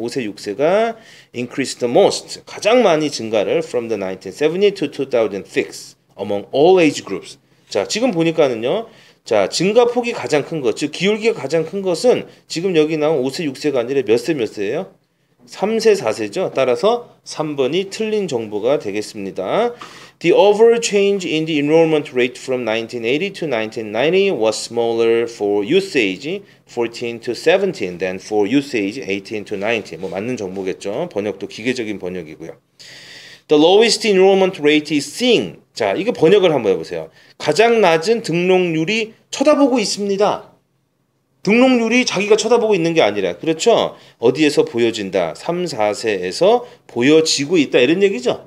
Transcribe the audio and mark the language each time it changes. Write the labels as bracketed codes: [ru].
[ko] 5세, 6세가 [en] increased the most [ko] 가장 많이 증가를 [en] from the 1970 to 2006 among all age groups [ko] 자, 지금 보니까는요 자, 증가폭이 가장 큰 것, 즉 기울기가 가장 큰 것은 지금 여기 나온 5세, 6세가 아니라 몇 세, 몇 세예요? 3세, 4세죠. 따라서 3번이 틀린 정보가 되겠습니다. [en] The overall change in the enrollment rate from 1980 to 1990 was smaller for youth age 14 to 17 than for youth age 18 to 19. [ko] 뭐 맞는 정보겠죠. 번역도 기계적인 번역이고요. [en] The lowest enrollment rate is seen. [ko] 자, 이거 번역을 한번 해보세요. 가장 낮은 등록률이 쳐다보고 있습니다. 등록률이 자기가 쳐다보고 있는 게 아니라 그렇죠? 어디에서 보여진다? 3, 4세에서 보여지고 있다 이런 얘기죠.